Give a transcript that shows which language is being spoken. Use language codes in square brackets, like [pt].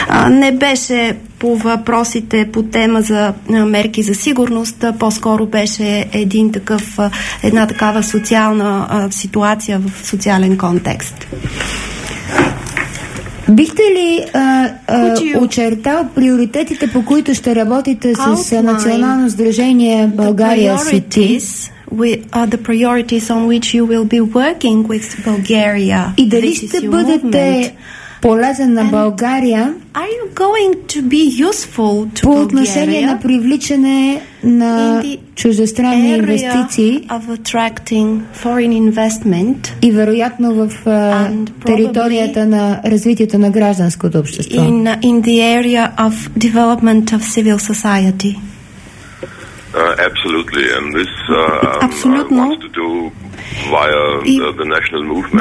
[bg] Не беше по въпросите по тема за мерки за сигурност, по-скоро беше една такава социална ситуация в социален контекст. Бихте ли очертал приоритетите, по които ще работите с Национално сдружение България Свети? [en] The priorities on which you will be working with Bulgaria. [bg] И дали ще бъдете полезен на България? [en] Are you going to be useful to Bulgaria? [bg] По отношение на привличане на чуждестранни инвестиции. [en] Of attracting foreign investment. [bg] И вероятно в територията на развитието на гражданското общество. [en] In the area of development of civil society. Absolutely, and this I want to do via the national movement.